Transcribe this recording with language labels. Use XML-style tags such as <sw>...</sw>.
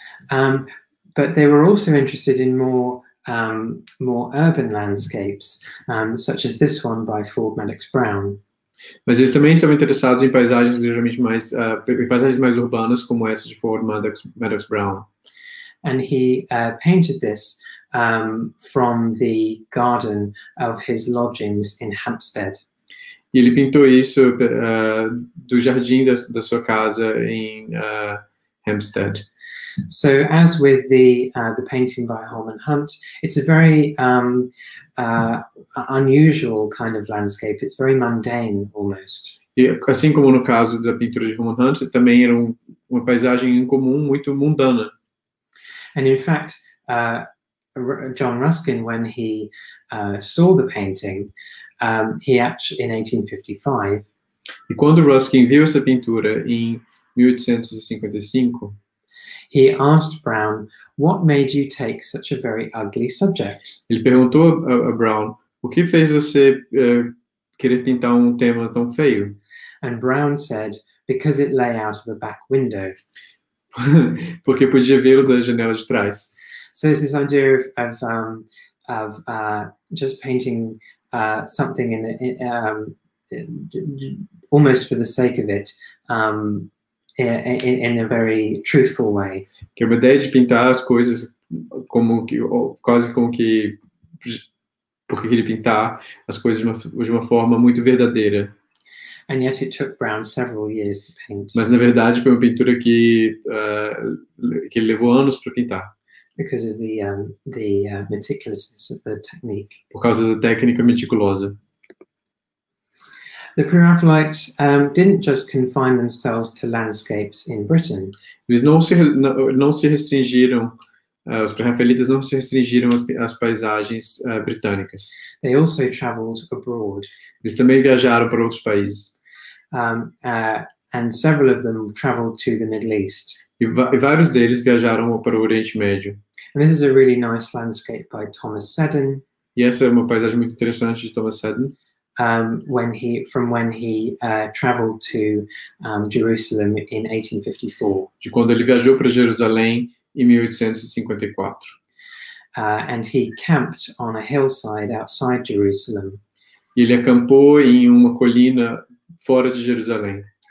<en>But they were also interested in more urban landscapes, such as this one by Ford Madox Brown.</en> <pt>Mas eles também estavam interessados em paisagens ligeiramente mais paisagens mais urbanas como essa de Ford Madox Brown.</pt> <en>And he painted this from the garden of his lodgings in Hampstead.</en> <pt>E ele pintou isso do jardim da sua casa em Hampstead.</pt> <en>So as with the painting by Holman Hunt, it's a very unusual kind of landscape. It's very mundane almost.</en> <pt>E assim como no caso da pintura de Holman Hunt, também era uma paisagem incomum, muito mundana.</pt> <en>And in fact, John Ruskin, when he saw the painting, he actually in 1855.</en> <pt>E quando Ruskin viu essa pintura em 1855,</pt> <en>he asked Brown, "What made you take such a very ugly subject?"</en> <pt>Ele perguntou a Brown, "O que fez você querer pintar um tema tão feio?"</pt> <en>And Brown said, "Because it lay out of a back window."</en> <pt>Porque podia vê-lo da janela de trás.</pt> <en>So it's this idea of just painting something in almost for the sake of it, in a very truthful way.</en> <pt>Que é uma ideia de pintar as coisas como que quase como que porque ele pintar as coisas de uma forma muito verdadeira.</pt> <en>And yet it took Brown several years to paint.</en> <pt>Mas na verdade foi uma pintura que levou anos para pintar.</pt> <en>Because of the meticulousness of the technique.</en> <pt>Por causa da técnica meticulosa.</pt> <en>The Pre-Raphaelites didn't just confine themselves to landscapes in Britain.</en> <pt>Eles não se restringiram. Os Pre-Raphaelites não se restringiram às paisagens britânicas.</pt> <en>They also traveled abroad.</en> <pt>Eles também viajaram para outros países.</pt> <en>and several of them traveled to the Middle East.</en> <pt>E vários deles viajaram para o Oriente Médio.</pt> <en>And this is a really nice landscape by Thomas Seddon.</en> <pt>E essa é uma paisagem muito interessante de Thomas Seddon.</pt> <en>When he traveled to Jerusalem in 1854.</en> <pt>De quando ele viajou para Jerusalém em 1854.</pt> <en>And he camped on a hillside outside Jerusalem.</en> <pt>E ele acampou em uma colina fora de Jerusalém.</pt>